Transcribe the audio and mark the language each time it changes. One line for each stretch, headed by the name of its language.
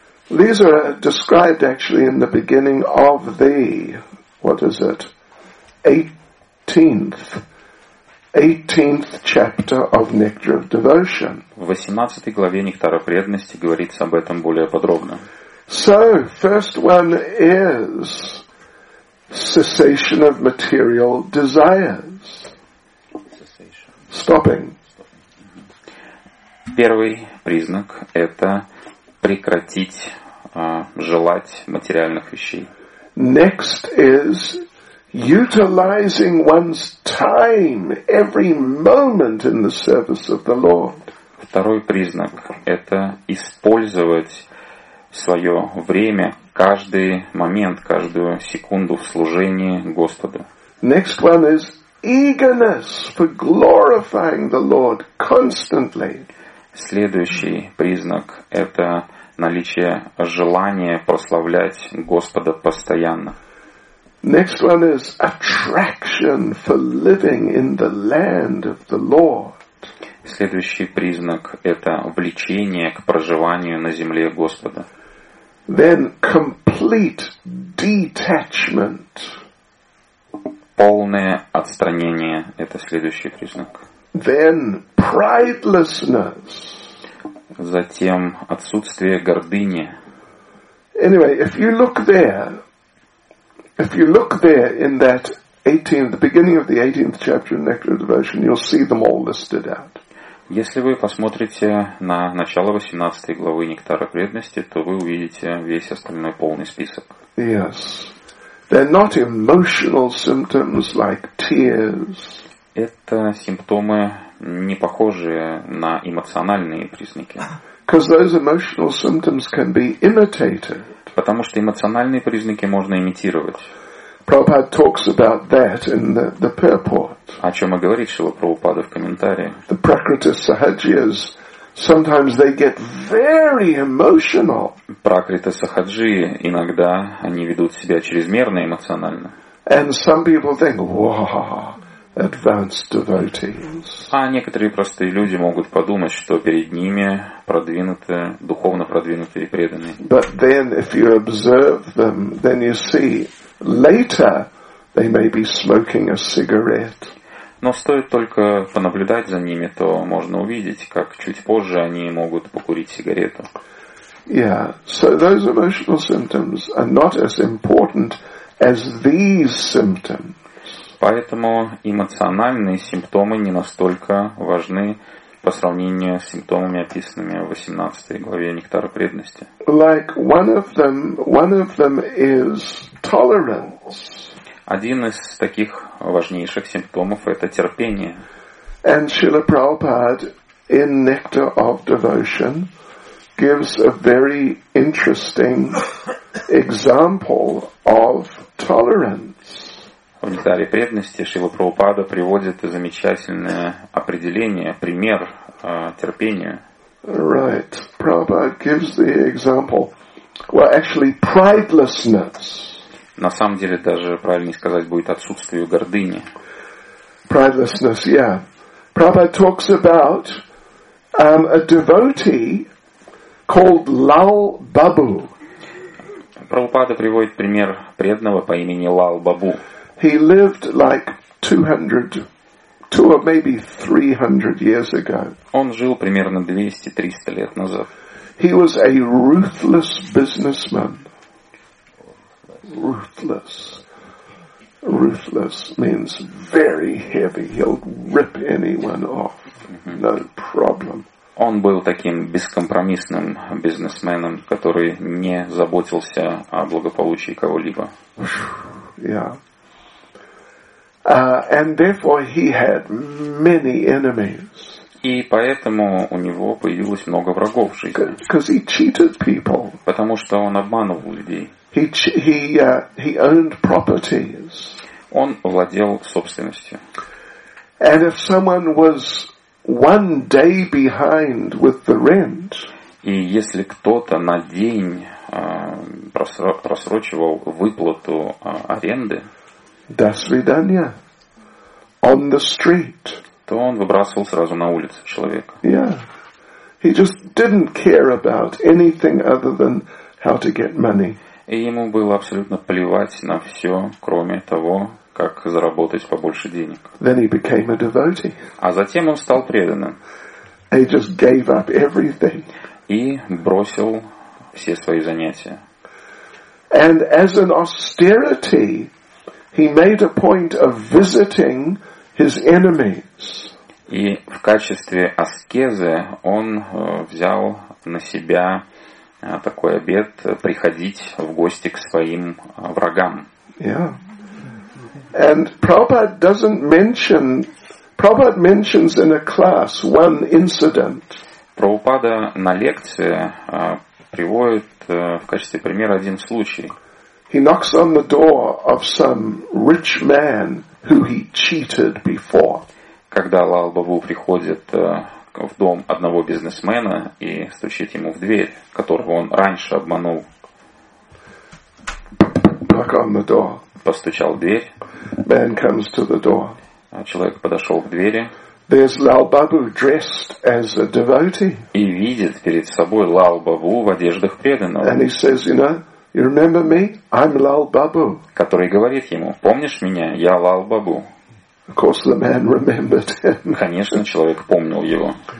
English: These are described actually in the beginning of the, what is it, 18th chapter of Nectar of Devotion.
Russian: В 18 главе Нектара преданности говорится об этом более подробно.
English: So, first one is cessation of material desires. Stopping.
Russian: Первый признак – это прекратить желать материальных вещей.
English: Next is utilizing one's time, every moment in the service of the Lord.
Russian: Второй признак – это использовать свое время, каждый момент, каждую секунду в служении Господу.
English: Next one is eagerness for glorifying the Lord constantly.
Russian: Следующий признак – это наличие желания прославлять Господа постоянно.
English: Next one is attraction for living in the land of the Lord.
Russian: Следующий признак – это влечение к проживанию на земле Господа.
English: Then complete detachment.
Russian: Полное отстранение – это следующий признак.
English: Then pridelessness.
Russian: Затем отсутствие гордыни.
English: Anyway, if you look there, if you look there in that 18th, the beginning of the 18th chapter of Nectar of Devotion, you'll see them all listed out.
Russian: Если вы посмотрите на начало 18 главы Нектара преданности, то вы увидите весь остальной полный список.
English: Yes. They're not emotional symptoms like tears.
Russian: Это симптомы, не похожие на эмоциональные признаки.
English: Because those emotional symptoms can be imitated.
Russian: Потому что эмоциональные признаки можно имитировать.
English: Prabhupada talks about that in the purport.
Russian: О чем и говорит Шрила Прабхупада в комментарии.
English: The Prakriti Sahajiyas, sometimes they get very emotional.
Russian: Пракрита Сахаджи, иногда они ведут себя чрезмерно эмоционально.
English: And some people think, wow, advanced devotees.
Russian: А некоторые простые люди могут подумать, что перед ними продвинутые, духовно продвинутые преданные.
English: But then if you observe them, then you see later They may be smoking a cigarette.
Russian: Но стоит только понаблюдать за ними, то можно увидеть, как чуть позже они могут покурить сигарету.
English: Yeah, so those emotional symptoms are not as important as these symptoms.
Russian: Поэтому эмоциональные симптомы не настолько важны по сравнению с симптомами, описанными в 18 главе «Нектара преданности».
English: Like one of them is tolerance.
Russian: Один из таких важнейших симптомов – это терпение.
English: And Srila Prabhupada in Nectar of Devotion gives a very interesting example of tolerance.
Russian: В «Нектаре преданности» Шрила Прабхупада приводит замечательное определение, пример терпения.
English: Right. Prabhupada gives the example. Well, actually, pridelessness.
Russian: На самом деле, даже правильнее сказать, будет отсутствие гордыни.
English: Pridelessness, yeah. Prabhupada talks about a devotee called Lal Babu.
Russian: Прабхупада приводит пример преданного по имени Лал Бабу.
English: He lived like 200 or maybe 300 years ago.
Russian: Он жил примерно 200-300 лет назад.
English: He was a ruthless businessman. Ruthless. Ruthless means very heavy. He'll rip anyone off. No problem.
Russian: Он был таким бескомпромиссным бизнесменом, который не заботился о благополучии кого-либо.
English: Yeah. And therefore he had many enemies.
Russian: И поэтому у него появилось много врагов в жизни.
English: Because he cheated people.
Russian: Потому что он обманывал людей.
English: He owned properties.
Russian: Он владел собственностью.
English: And if someone was one day behind with the rent.
Russian: И если кто-то на день просрочивал выплату аренды. До свидания.
English: On the street.
Russian: То он выбрасывал сразу на улицу человека.
English: Yeah. He just didn't care about anything other than how to get money.
Russian: И ему было абсолютно плевать на все, кроме того, как заработать побольше денег.
English: Then he became a devotee.
Russian: А затем он стал преданным.
English: He just gave up everything.
Russian: И бросил все свои занятия.
English: And as an austerity, he made a point of visiting his enemies.
Russian: И в качестве аскезы он взял на себя такой обет приходить в гости к своим врагам.
English: Yeah. And Prabhupada mentions in a class one incident.
Russian: Прабхупада на лекции приводит в качестве примера один случай.
English: He knocks on the door of some rich man who he cheated before.
Russian: Когда Лал Бабу приходит в дом одного бизнесмена и стучит ему в дверь, которого он раньше обманул.
English: Knock on the door.
Russian: Постучал в дверь.
English: Man comes to the door.
Russian: Человек подошел к двери.
English: There's Lal Babu dressed as a devotee.
Russian: И видит перед собой Лал Бабу в одеждах преданного.
English: And he says, you know, you remember me? I'm Lal Babu.
Russian: Который говорит ему, помнишь меня? Я Лал Бабу.
English: Of course, the man remembered him.
Russian: Конечно, человек помнил его.